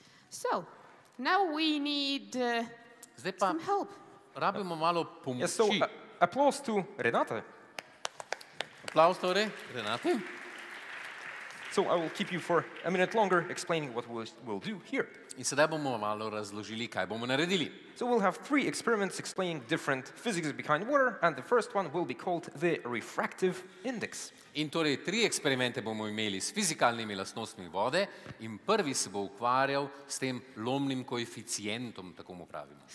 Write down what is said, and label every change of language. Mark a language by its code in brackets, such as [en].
[en] So, now we need some help. [sl] Rabimo malo pomoči. [en] Yes, so, applause to Renate. Applause to Renate. So, I will keep you for a minute longer explaining what we'll do here. [sl] In sedaj bomo malo razložili, kaj bomo naredili. [en] So, we'll have three experiments explaining different physics behind water, and the first one will be called the refractive index. [sl] In torej, tri eksperimente bomo imeli s fizikalnimi lastnostmi vode in prvi se bo ukvarjal s tem lomnim koeficientom, tako mu pravimo.